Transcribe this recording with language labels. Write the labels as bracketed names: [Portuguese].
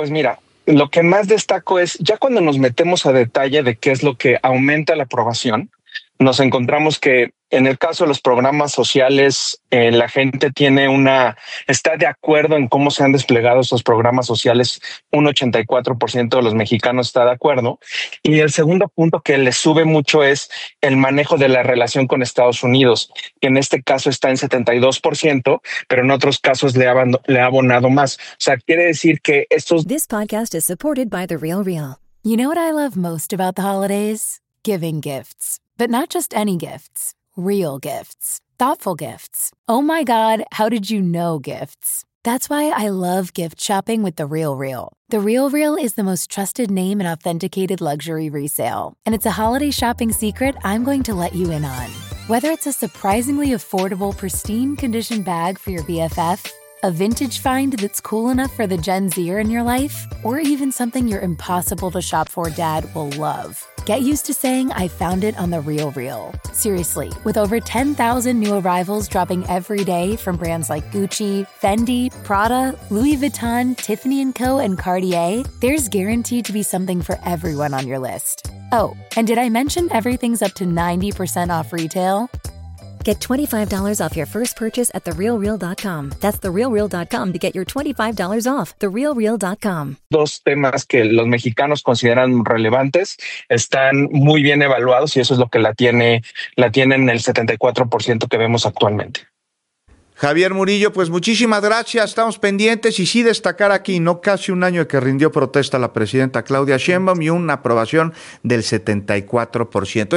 [Spanish] Pues mira, lo que más destaco es, ya cuando nos metemos a detalle de qué es lo que aumenta la aprobación, nos encontramos que en el caso de los programas sociales, la gente está de acuerdo en cómo se han desplegado esos programas sociales. Un 84% de los mexicanos está de acuerdo. Y el segundo punto que le sube mucho es el manejo de la relación con Estados Unidos, que en este caso está en 72%, pero en otros casos le ha abonado más. O sea, quiere decir que estos. [English] This podcast is supported by The Real Real. You know what I love most about the holidays? Giving gifts. But not just any gifts, real gifts, thoughtful gifts. Oh my God, how did you know gifts? That's why I love gift shopping with The Real Real. The Real Real is the most trusted name in authenticated luxury resale. And it's a holiday shopping secret I'm going to let you in on. Whether it's a surprisingly affordable, pristine condition bag for your BFF, a vintage find that's cool enough for the Gen Zer in your life, or even something your impossible to shop for dad will love. Get used to saying, I found it on The Real Real. Seriously, with over 10,000 new arrivals dropping every day from brands like Gucci, Fendi, Prada, Louis Vuitton, Tiffany & Co., and Cartier, there's guaranteed to be something for everyone on your list. Oh, and did I mention everything's up to 90% off retail? Get $25 off your first purchase at TheRealReal.com. That's TheRealReal.com to get your $25 off. TheRealReal.com. [Spanish] Dos temas que los mexicanos consideran relevantes están muy bien evaluados y eso es lo que la tienen el 74% que vemos actualmente. Javier Murillo, pues muchísimas gracias. Estamos pendientes y sí destacar aquí, no casi un año que rindió protesta la presidenta Claudia Sheinbaum y una aprobación del 74%.